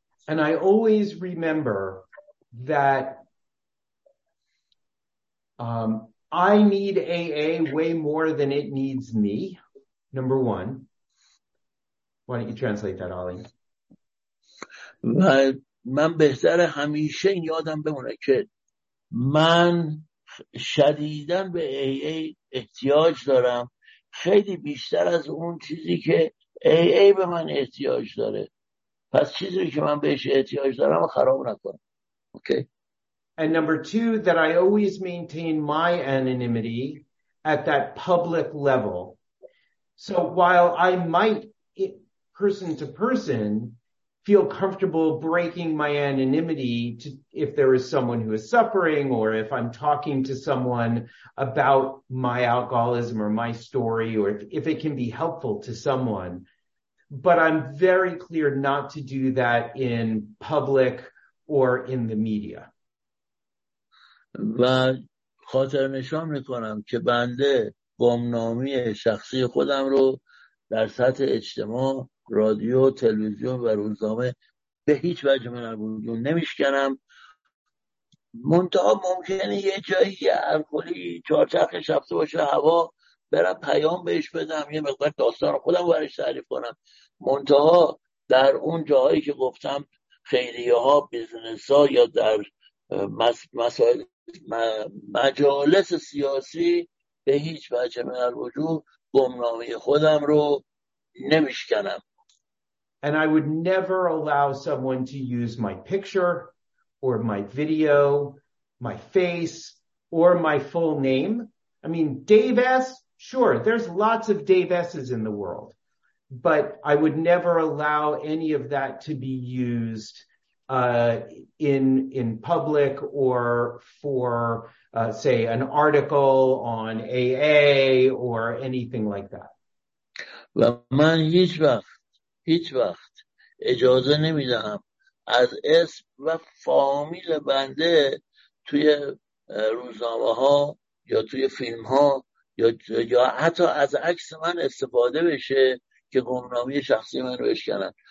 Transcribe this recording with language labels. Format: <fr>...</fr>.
<en>And I always remember that I need AA way more than it needs me. Number one. Why don't you translate that, Ollie?</en> <fa>من بهتره همیشه این یادم بمونه که من شدیداً به AA احتیاج دارم، خیلی بیشتر از اون چیزی که AA به من احتیاج داره. پس چیزی که من بهش احتیاج دارم خراب نکنم.</fa> <en>Okay. And number two, that I always maintain my anonymity at that public level. So while I might, person to person, feel comfortable breaking my anonymity to, if there is someone who is suffering or if I'm talking to someone about my alcoholism or my story or if it can be helpful to someone. But I'm very clear not to do that in public or in the media.</en> <fa>و خاطر نشان میکنم که بنده گمنامی شخصی خودم رو در سطح اجتماع، رادیو، تلویزیون و روزنامه به هیچ وجه منبودون نمیشکنم. منتها ممکنه یه جایی الکلی چارچخش رفته باشه هوا، برم پیام بهش بدم، یه مقدار داستان خودم رو برش تعریف کنم. منتها در اون جاهایی که گفتم، خیریه ها، بیزنس ها یا در مسائل مجالس سیاسی، به هیچ وجه من الوجود گمنامی خودم رو نمیشکنم.</fa> <en>And I would never allow someone to use my picture or my video, my face or my full name. I mean, Dave S, sure, there's lots of Dave S's in the world, but I would never allow any of that to be used in public or for say an article on AA or anything like that.</en> <fa>و من هیچ وقت اجازه نمیدم از اسم و فامیل بنده توی روزنامه ها یا توی فیلم ها یا حتی از عکس من استفاده بشه که گمنامی شخصی من رو بشکنن.</fa>